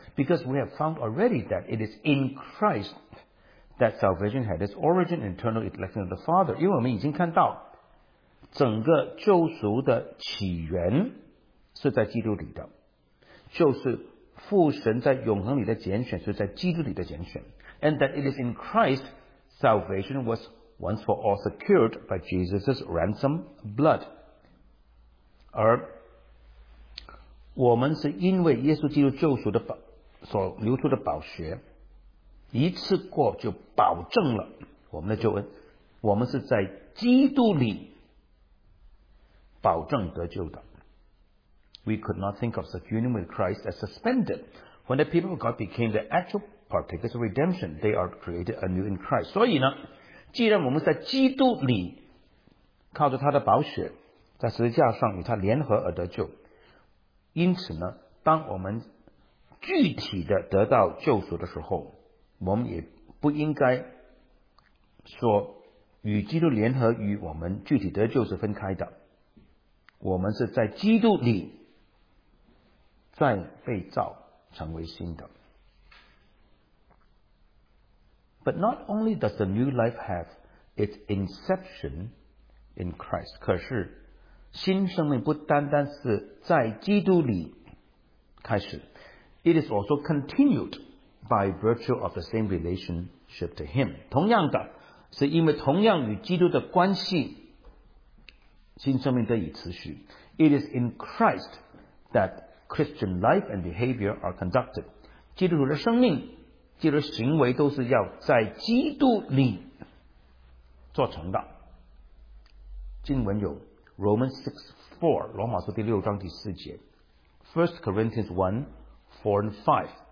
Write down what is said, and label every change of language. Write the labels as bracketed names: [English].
[English] Because we have found already that it is in Christ that salvation had its origin in eternal election of the Father. [Chinese] 因为我们已经看到整个救赎的起源是在基督里的。就是父神在永恒里的拣选，是在基督里的拣选。 [English] And that it is in Christ salvation was once for all secured by Jesus' ransom blood. [Chinese] 而我们是因为耶稣基督救赎的所流出的宝血，一次过就保证了我们的救恩。我们是在基督里保证得救的。 [English] We could not think of such union with Christ as suspended. When the people of God became the actual partakers of redemption, they are created anew in Christ. [Chinese] 所以呢，既然我们在基督里靠着他的宝血在十字架上与他联合而得救，因此呢，当我们具体的得到救赎的时候，我们也不应该说与基督联合与我们具体得救是分开的，我们是在基督里再被造成为新的。 [English] But not only does the new life have its inception in Christ， [Chinese] 可是新生命不单单是在基督里开始， [English] It is also continued by virtue of the same relationship to Him， [Chinese] 同样的是因为同样与基督的关系，新生命得以持续。 [English] It is in Christ that Christian life and behavior are conducted， [Chinese] 基督徒的生命基督行为都是要在基督里做成的。经文有 Romans 6:4， 罗马书第六章第四节， 1 Corinthians 1:4-5，